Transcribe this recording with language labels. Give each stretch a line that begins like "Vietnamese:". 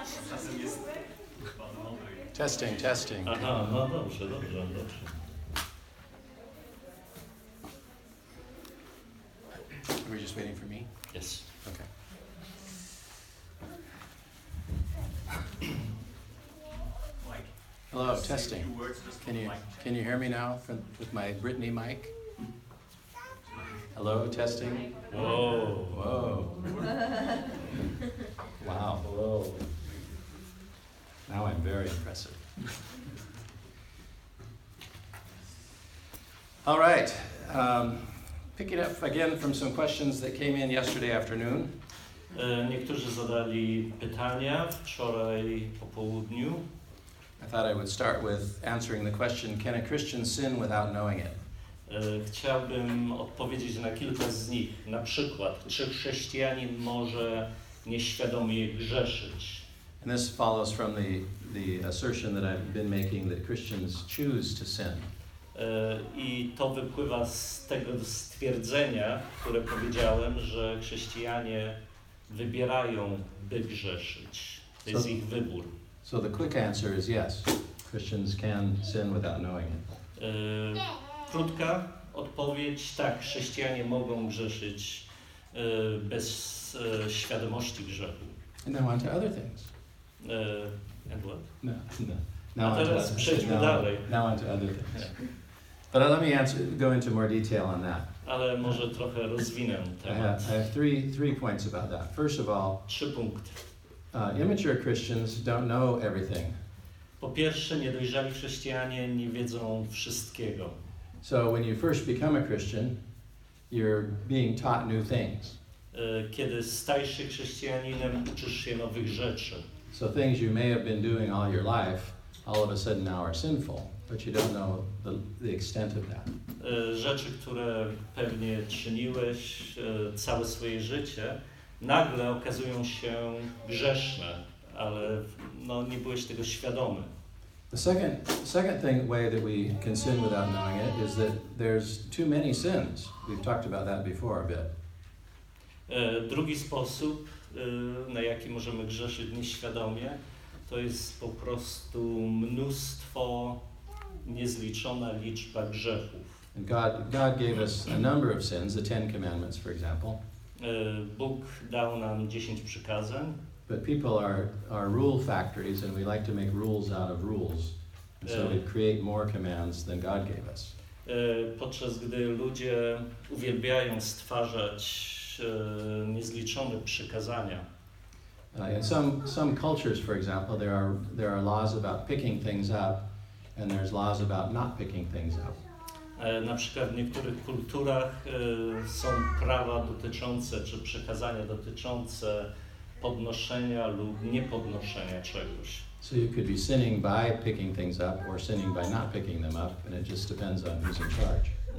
Polish: Czasem jest bardzo mądry.
English: Testing, testing.
Polish: Aha, no dobrze, dobrze, dobrze.
English: Are we just waiting for me? Yes. Okay. Hello, testing. Can you hear me now with my Britney mic? Hello, testing. Whoa. Whoa. Wow. Hello. Now I'm very impressive. All right. Picking up again from some questions that came in yesterday afternoon.
Polish: Niektórzy zadali pytania wczoraj po południu.
English: I thought I would start with answering the question, can a Christian sin without knowing it?
Polish: Chciałbym odpowiedzieć na kilka z nich. Na przykład, czy chrześcijanin może nieświadomie grzeszyć?
English: And this follows from the assertion that I've been making that Christians choose to sin.
Polish: I to wypływa z tego stwierdzenia, które powiedziałem, że chrześcijanie wybierają, by grzeszyć. To jest ich wybór.
English: So the quick answer is yes. Christians can sin without knowing it.
Polish: Krótka odpowiedź, tak, chrześcijanie mogą grzeszyć bez świadomości grzechu.
English: And then on to other things. And what? No.
Polish: A teraz przejdźmy dalej.
English: Now on to other things. But let me go into more detail on that.
Polish: Ale może trochę rozwinę temat.
English: I have three points about that. First of all,
Polish: trzy punkty.
English: Immature Christians don't know everything.
Polish: Po pierwsze, niedojrzali chrześcijanie nie wiedzą wszystkiego.
English: So when you first become a Christian, you're being taught new things.
Polish: Kiedy stajesz się chrześcijaninem, uczysz się nowych rzeczy.
English: So things you may have been doing all your life, all of a sudden now are sinful. But you don't know the extent of that.
Polish: Rzeczy, które pewnie czyniłeś całe swoje życie, nagle okazują się grzeszne, ale no, nie byłeś tego świadomy.
English: The second thing, way that we can sin without knowing it, is that there's too many sins. We've talked about that before a bit.
Polish: Drugi sposób, na jaki możemy grzeszyć nieświadomie, to jest po prostu mnóstwo niezliczona liczba grzechów.
English: God gave us a number of sins, the Ten Commandments, for example.
Polish: Bóg dał nam 10 przykazań.
English: But people are rule factories, and we like to make rules out of rules. And so we create more commands than God gave us.
Polish: Podczas gdy ludzie uwielbiają stwarzać niezliczone przykazania.
English: In some cultures, for example, there are laws about picking things up. And there's laws about not picking things up.
Polish: Na przykład w niektórych kulturach są prawa dotyczące, czy przekazania dotyczące podnoszenia lub niepodnoszenia czegoś.
English: So you could be sinning by picking things up or sinning by not picking them up, and it just depends on who's in charge.